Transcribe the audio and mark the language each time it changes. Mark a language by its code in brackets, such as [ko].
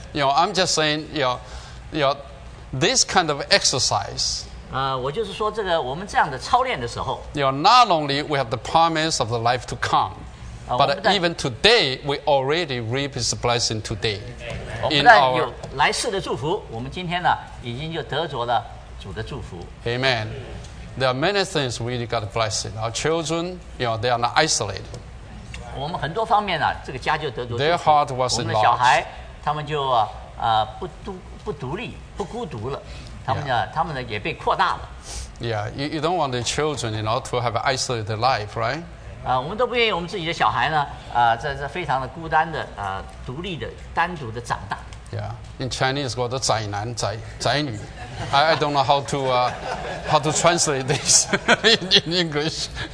[en] You know, I'm just saying, you know, this kind of exercise. [zh] 我就是说这个我们这样的操练的时候。 [en] You know, not only we have the promise of the life to come, but even today we already reap His blessing today. [zh] 我们不但有来世的祝福，我们今天呢已经就得着了。 [en] Amen. There are many things we really got blessed. Our children, you know, they are not isolated. [zh] 我们很多方面呢、啊，这个家就得着祝福。 [en] Their heart was enlarged. [zh] 我们的小孩，他们就不独立，不孤独了。他们呢， yeah. 他们呢也被扩大了。 [en] Yeah, you don't want the children, you know, to have an isolated life, right? [zh] 啊、我们都不愿意我们自己的小孩呢，啊、在非常的孤单的啊、独立的、单独的长大。 [en] Yeah, in Chinese, called 宅男宅宅女。 I don't know how to translate this in English.